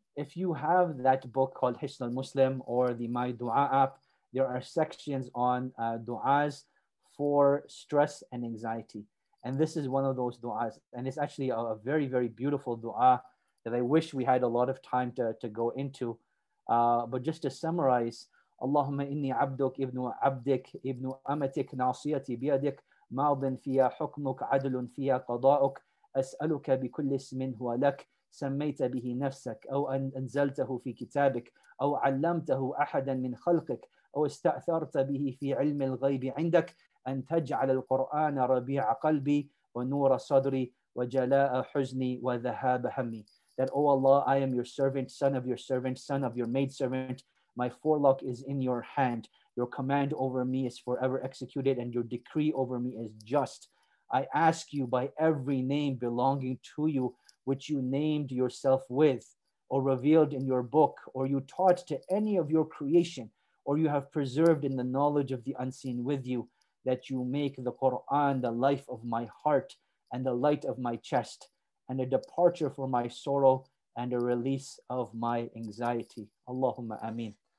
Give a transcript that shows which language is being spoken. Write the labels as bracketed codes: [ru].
[en] If you have that book called Hisn al-Muslim or the My Dua app, there are sections on du'as for stress and anxiety. And this is one of those du'as. And it's actually a very, very beautiful du'a that I wish we had a lot of time to go into. But just to summarize, [ar] Allahumma inni abduk ibn amatik nasiyati biyadik ma'adhin fiya hukmuk adlun fiya qada'uk أسألك بكل اسم هو لك سميت به نفسك أو أنزلته في كتابك أو علمته أحدا من خلقك أو استأثرت به في علم الغيب عندك أن تجعل القرآن ربيع قلبي ونور صدري وجلاء حزني وذهاب همي. [en] That, O Allah, I am your servant, son of your servant, son of your maidservant. My forelock is in your hand. Your command over me is forever executed and your decree over me is just. I ask you by every name belonging to you, which you named yourself with, or revealed in your book, or you taught to any of your creation, or you have preserved in the knowledge of the unseen with you, that you make the Quran the life of my heart and the light of my chest, and a departure for my sorrow and a release of my anxiety. Allahumma ameen.